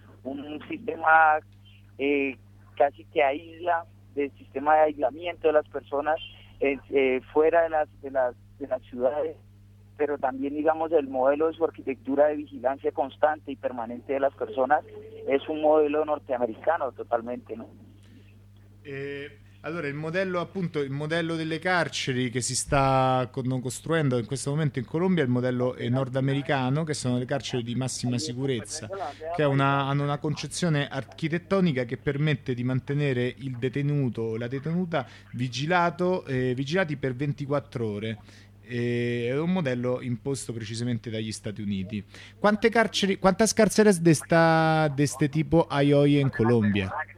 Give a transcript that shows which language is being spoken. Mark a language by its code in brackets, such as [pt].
[es] Un sistema casi que aísla, del sistema de aislamiento de las personas fuera de las ciudades, pero también, digamos, el modelo de su arquitectura de vigilancia constante y permanente de las personas es un modelo norteamericano totalmente, ¿no? [it] Allora, il modello delle carceri che si sta costruendo in questo momento in Colombia è il modello nordamericano, che sono le carceri di massima sicurezza, che hanno una concezione architettonica che permette di mantenere il detenuto o la detenuta vigilati per 24 ore. È un modello imposto precisamente dagli Stati Uniti. [es] Quantas carceres de este tipo hay hoy en Colombia?